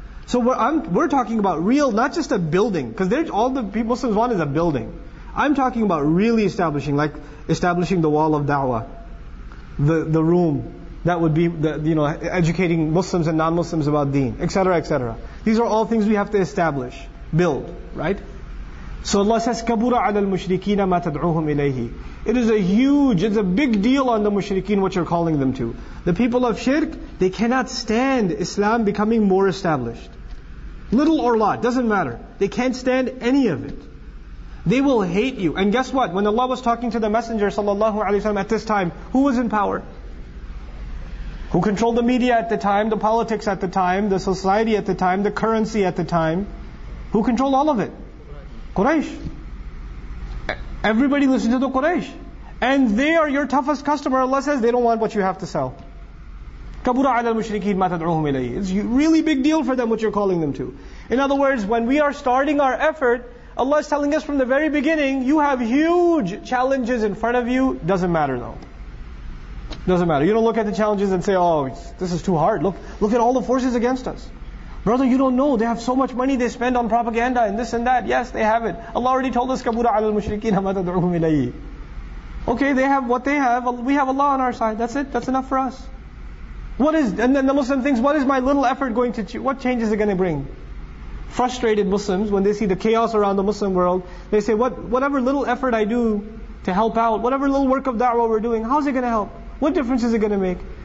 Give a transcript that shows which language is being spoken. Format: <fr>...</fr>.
<en>So we're talking about real, not just a building, because all the people Muslims want is a building. I'm talking about really establishing, like establishing the wall of da'wah, the room that would be, educating Muslims and non-Muslims about deen, etc., etc. These are all things we have to establish, build, right? So Allah says,</en> <ar>كَبُرَ عَلَى الْمُشْرِكِينَ مَا تَدْعُوهُمْ إِلَيْهِ.</ar> <en>It is a huge, it's a big deal on the mushrikeen what you're calling them to. The people of shirk, they cannot stand Islam becoming more established. Little or lot, doesn't matter. They can't stand any of it. They will hate you. And guess what? When Allah was talking to the Messenger sallallahu alaihi wasallam at this time, who was in power? Who controlled the media at the time, the politics at the time, the society at the time, the currency at the time? Who controlled all of it? Quraysh. Everybody listen to the Quraysh. And they are your toughest customer. Allah says they don't want what you have to sell.</en> <ar>كَبُرَ عَلَى الْمُشْرِكِينَ مَا تَدْعُوهُمْ إِلَيْهِ.</ar> <en>It's really big deal for them what you're calling them to. In other words, when we are starting our effort, Allah is telling us from the very beginning, you have huge challenges in front of you. Doesn't matter though. Doesn't matter. You don't look at the challenges and say, oh, this is too hard. Look at all the forces against us. Brother, you don't know. They have so much money they spend on propaganda and this and that. Yes, they have it. Allah already told us,</en> <ar>كَبُرَ عَلَى الْمُشْرِكِينَ مَا تَدْعُوهُمْ إِلَيْهِ.</ar> <en>Okay, they have what they have. We have Allah on our side. That's it. That's enough for us. What is... And then the Muslim thinks, what is my little effort going to... What change is it going to bring? Frustrated Muslims, when they see the chaos around the Muslim world, they say, whatever little effort I do to help out, whatever little work of da'wah we're doing, how is it going to help? What difference is it going to make?</en>